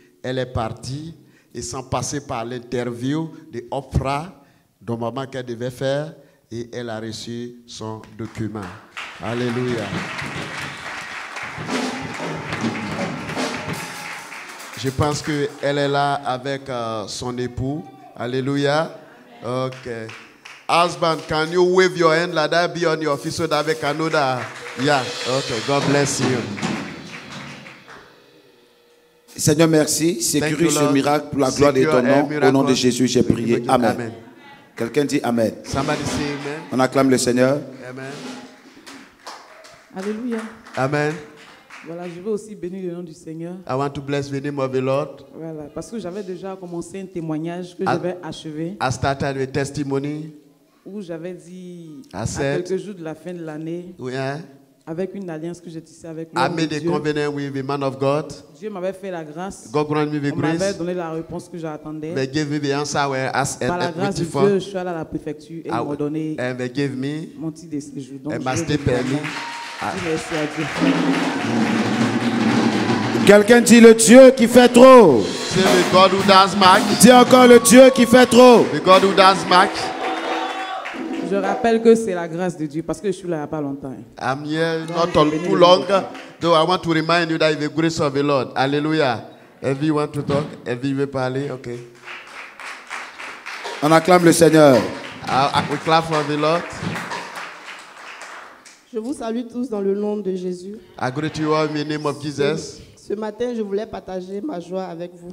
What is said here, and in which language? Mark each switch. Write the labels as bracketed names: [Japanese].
[French] Elle est partie et sans passer par l'interview de Ofra, normalement qu'elle devait faire, et elle a reçu son document. Alléluia. Je pense qu'elle est là avec son époux. [English] Alléluia. Ok. Husband, can you wave your hand? Let that be on your face so that we can know that. Yeah. Okay. God bless you. [French] Seigneur, merci. Sécurise ce miracle pour la gloire de ton nom. Au nom de Jésus, j'ai prié. Amen. Amen. Quelqu'un dit amen. [English] Somebody say amen. [French] On acclame le Seigneur. Amen. Alléluia. Amen. Voilà, je veux aussi bénir le nom du Seigneur. [English] I want to bless the name of the Lord. [French] Voilà, parce que j'avais déjà commencé un témoignage que j'avais achevé. [English] I started a testimony. [French] Où j'avais dit à quelques jours de la fin de l'année. Oui, hein? Avec une alliance que j'ai tissée avec lui. [English] I made a covenant with the man of God. [French] Dieu m'avait fait la grâce. [English] God granted me the grace. [French] On m'avait donné la réponse que j'attendais. [English] They gave me the answer where I asked. [French] Par la grâce de Dieu, je suis allé à la préfecture et ils m'ont donné. [English] And they gave me [French] mon titre de séjour. Donc, [English] and my stay permit. [French] Merci à Dieu. Quelqu'un dit le Dieu qui fait trop. C'est le [English] God who does much. [French] Dis encore le Dieu qui fait trop. [English] The God who does much. [French] Je rappelle que c'est la grâce de Dieu parce que je suis là il y a pas longtemps. [English] I'm here not on too long, though I want to remind you that it's the grace of the Lord. Alléluia. Everyone want to talk? Everyone [French] veut parler? [English] Ok. [French] On acclame le Seigneur. [English] We clap for the Lord. [French] Je vous salue tous dans le nom de Jésus. [English] I greet you all in the name of Jesus. [French] Ce matin, je voulais partager ma joie avec vous.